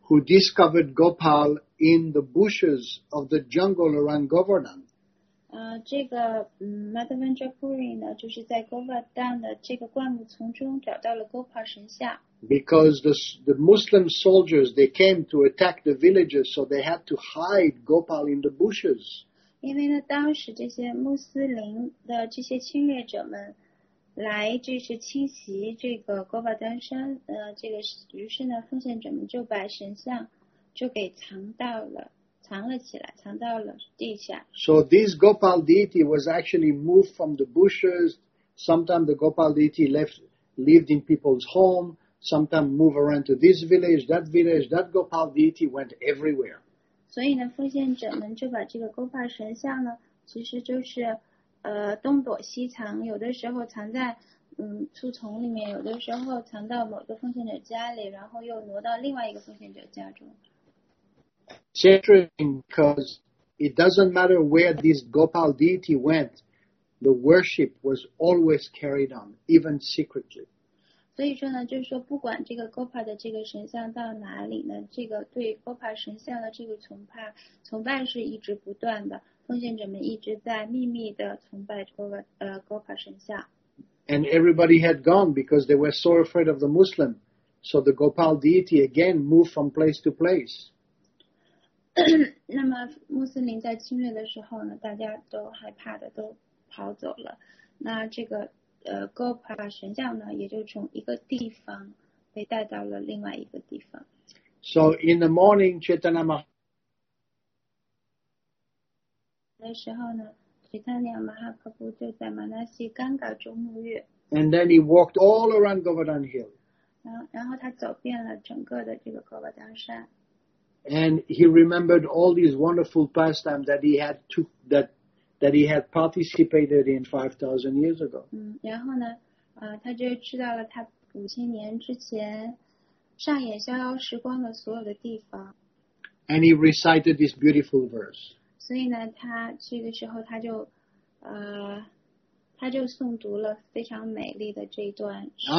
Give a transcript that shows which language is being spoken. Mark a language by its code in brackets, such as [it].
[en] Who discovered Gopal in the bushes of the jungle around Govardhan？ [zh] 这个Madhavendra Puri 呢，就是在 Govardhan 的这个灌木丛中找到了 Gopal 神像。 [en] Because the Muslim soldiers they came to attack the villagers, so they had to hide Gopal in the bushes。 [zh] 因为呢，当时这些穆斯林的这些侵略者们。来就是侵袭这个戈瓦丹山，这个于是呢，奉献者们就把神像就给藏到了地下。 [en] So this Gopal deity was actually moved from the bushes. Sometimes the Gopal deity lived in people's home. Sometimes move around to this village, that village. That Gopal deity went everywhere. [zh] 所以呢，奉献者们就把这个戈帕神像呢，其实就是。东躲西藏，有的时候藏在树丛里面，有的时候藏到某个奉献者家里，然后又挪到另外一个奉献者家中。 [en] It's interesting because it doesn't matter where this Gopal deity went, the worship was always carried on, even secretly. [zh] 所以说呢，就是说不管这个 Gopa 的这个神像到哪里呢，这个对 Gopa 神像的这个崇拜是一直不断的，奉献者们一直在秘密的崇拜 Gopa 神像。 [en] And everybody had gone because they were so afraid of the Muslim. So the Gopal deity again moved from place to place. [zh] 那么穆斯林在侵略的时候呢，大家都害怕的都跑走了。那这个Gopa 神像呢，也就从一个地方被带到了另外一个地方。 [en] So in the morning, Chaitanya [zh] Mahaprabhu 的时候呢 ，Chaitanya Mahaprabhu 就在 Manasi Ganga 中沐浴。 [en] And then he walked all around Govardhan Hill. [zh] 然后他走遍了整个的这个 Govardhan 山。 [en] And he remembered all these wonderful pastimes that he had to that he had participated in 5,000 years ago. [zh] 然后呢，他就知道了他五千年之前上演逍遥时光的所有的地方。 [en] And he recited this beautiful verse. [zh] 所以呢，他这个时候他就诵读了非常美丽的这一段诗。